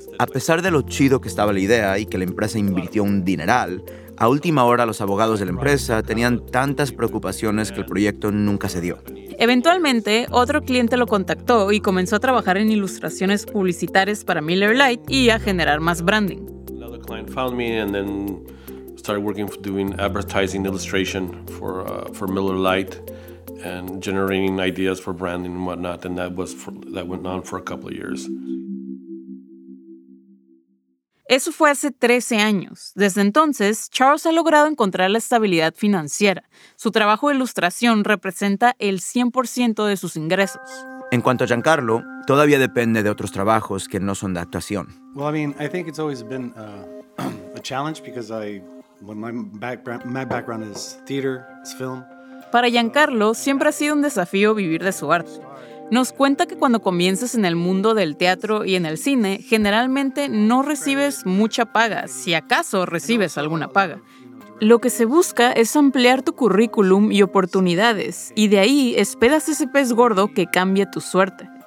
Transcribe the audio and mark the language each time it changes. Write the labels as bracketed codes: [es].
[es] A pesar de lo chido que estaba la idea y que la empresa invirtió un dineral, a última hora, los abogados de la empresa tenían tantas preocupaciones que el proyecto nunca se dio. Eventualmente, otro cliente lo contactó y comenzó a trabajar en ilustraciones publicitarias para Miller Lite y a generar más branding. [en] Another client found me and then started working for doing advertising illustration for Miller Lite and generating ideas for branding and whatnot, and that went on for a couple of years. [es] Eso fue hace 13 años. Desde entonces, Charles ha logrado encontrar la estabilidad financiera. Su trabajo de ilustración representa el 100% de sus ingresos. En cuanto a Giancarlo, todavía depende de otros trabajos que no son de actuación. [en] Well, I mean, I think it's always been a challenge because my background is theater, it's film. [es] Para Giancarlo, siempre ha sido un desafío vivir de su arte. Nos cuenta que cuando comienzas en el mundo del teatro y en el cine, generalmente no recibes mucha paga, si acaso recibes alguna paga. Lo que se busca es ampliar tu currículum y oportunidades, y de ahí esperas ese pez gordo que cambie tu suerte.